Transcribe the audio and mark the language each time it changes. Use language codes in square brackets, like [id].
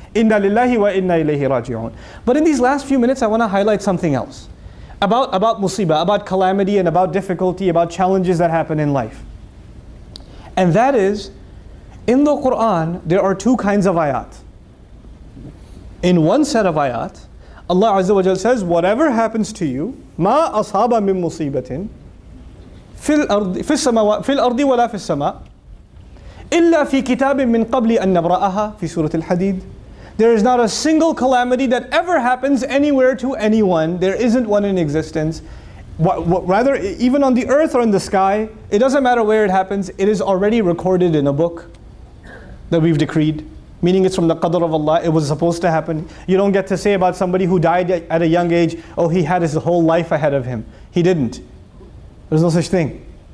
[ar] Inna lillahi wa inna ilayhi raji'un. [en] But in these last few minutes, I want to highlight something else. About musibah, about calamity and about difficulty, about challenges that happen in life. And that is, in the Qur'an, there are two kinds of ayat. In one set of ayat, Allah Azza wa Jalla says, whatever happens to you, [ar] مَا أَصَابَ مِن مُصِيبَةٍ فِي الْأَرْضِ وَلَا فِي السَّمَاءِ إِلَّا فِي كِتَابٍ مِّن قَبْلِ أَن نَبْرَأَهَا فِي سُورَةِ الْحَدِيدِ. [en] There is not a single calamity that ever happens anywhere to anyone. There isn't one in existence. Rather, even on the earth or in the sky, it doesn't matter where it happens, it is already recorded in a book that we've decreed. Meaning it's from the Qadr of Allah, it was supposed to happen. You don't get to say about somebody who died at a young age, oh, he had his whole life ahead of him. He didn't. There's no such thing.